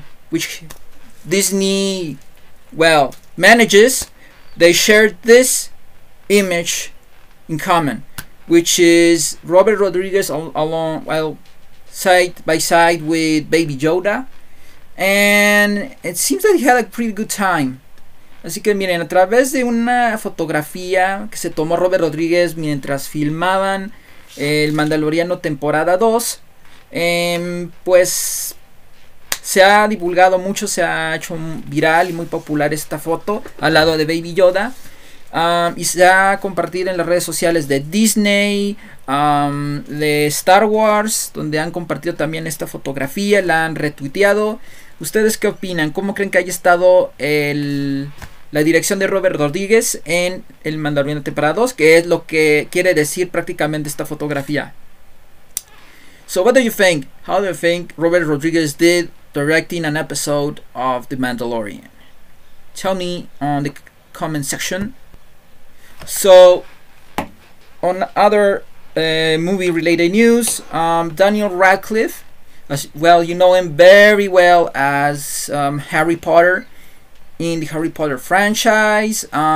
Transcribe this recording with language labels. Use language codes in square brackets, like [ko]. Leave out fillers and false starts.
[en] which Disney, well, manages, they shared this image in common, which is Robert Rodriguez along, well, side by side with Baby Yoda, and it seems that he had a pretty good time. [es] Así que miren, a través de una fotografía que se tomó Robert Rodriguez mientras filmaban el Mandaloriano temporada 2, pues se ha divulgado mucho, se ha hecho viral y muy popular esta foto al lado de Baby Yoda, y se ha compartido en las redes sociales de Disney, de Star Wars, donde han compartido también esta fotografía, la han retuiteado. ¿Ustedes qué opinan? ¿Cómo creen que haya estado la dirección de Robert Rodríguez en El Mandalorian temporada 2, que es lo que quiere decir prácticamente esta fotografía? [en] So what do you think? How do you think Robert Rodriguez did directing an episode of The Mandalorian? Tell me on the comment section. So on other movie related news, Daniel Radcliffe, as well, you know him very well as Harry Potter in the Harry Potter franchise.